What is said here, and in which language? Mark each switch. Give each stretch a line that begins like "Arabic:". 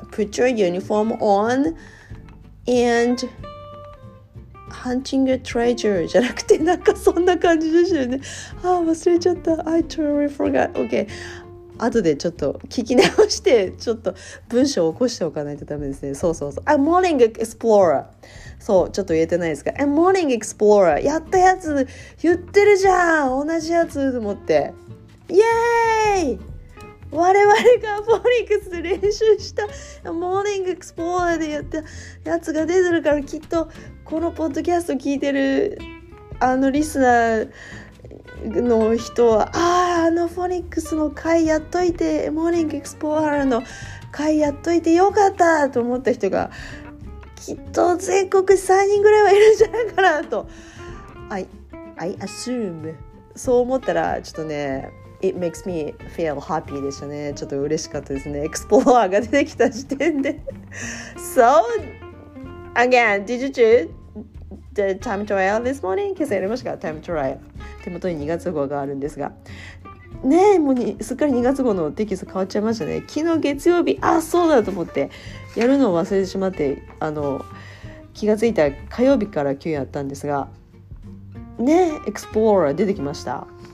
English: Put your uniform on and hunting a treasure.
Japanese: じゃなくてなんかそんな感じでしたよね。あ、忘れちゃった。
English: I totally forgot. Okay.
Japanese: 後でちょっと聞き直してちょっと文章を起こしておかないとダメですね。そうそうそう。
English: A morning explorer。
Japanese: そう、ちょっと言えてないですか。
English: A morning explorer。
Japanese: やったやつ言ってるじゃん。同じやつと思って。イエーイ！我々がフォニックスで練習したモーニングエクスプローラーでやったやつが出てるからきっとこのポッドキャスト聞いてるあのリスナーの人はあのフォニックスの回やっといてモーニングエクスプローラーの回やっといてよかったと思った人がきっと全国3人ぐらいはいるんじゃないかなと
English: I assume
Japanese: そう思ったらちょっとね
English: It makes me feel happy
Japanese: でしたね。ちょっと嬉しかったですね。 Explorer が出てきた時点で。
English: So, again, did you do the time trial this morning?
Japanese: 今朝やりましたか ?Time trial。手元に2月号があるんですが。ねえ、もうすっかり2月号のテキスト変わっちゃいましたね。昨日月曜日、あ、そうだと思って、やるのを忘れてしまって、あの、気がついた火曜日から今日やったんですが、ねえ、Explorer 出てきました。